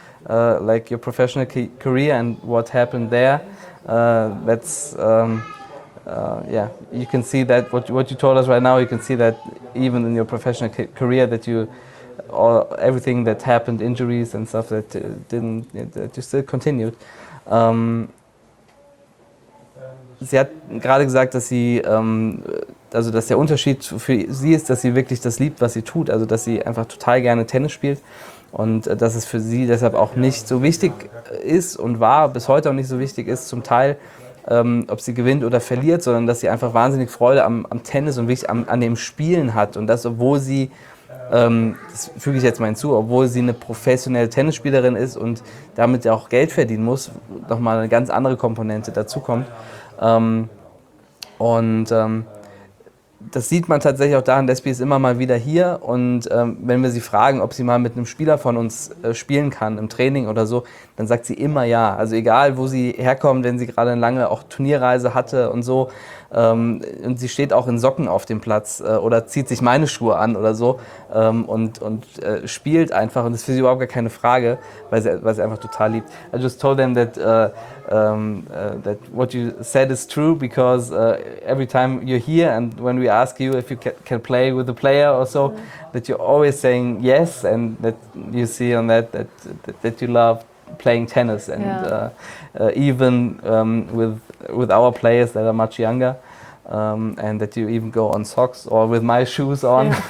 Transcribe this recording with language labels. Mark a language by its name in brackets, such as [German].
[English] Like your professional career and what happened there, that's yeah, you can see that what you told us right now, you can see that even in your professional career, that you all everything that happened, injuries and stuff, that didn't, that you still continued. [German] Sie hat gerade gesagt, dass sie also dass der Unterschied für sie ist, dass sie wirklich das liebt, was sie tut, also dass sie einfach total gerne Tennis spielt. Und dass es für sie deshalb auch nicht so wichtig ist und war, bis heute auch nicht so wichtig ist, zum Teil, ob sie gewinnt oder verliert, sondern dass sie einfach wahnsinnig Freude am Tennis und wirklich an dem Spielen hat. Und das, obwohl sie, das füge ich jetzt mal hinzu, obwohl sie eine professionelle Tennisspielerin ist und damit ja auch Geld verdienen muss, nochmal eine ganz andere Komponente dazukommt. Das sieht man tatsächlich auch daran, Despi ist immer mal wieder hier und wenn wir sie fragen, ob sie mal mit einem Spieler von uns spielen kann im Training oder so, dann sagt sie immer ja. Also egal, wo sie herkommt, wenn sie gerade eine lange auch Turnierreise hatte und so, und sie steht auch in Socken auf dem Platz oder zieht sich meine Schuhe an oder so und spielt einfach, und das ist für sie überhaupt gar keine Frage, weil sie einfach total liebt. [English] I just told them that that what you said is true, because every time you're here and when we ask you if you can play with the player or so, that you're always saying yes, and that you see on that you love playing tennis, and even with our players that are much younger, and that you even go on socks or with my shoes on,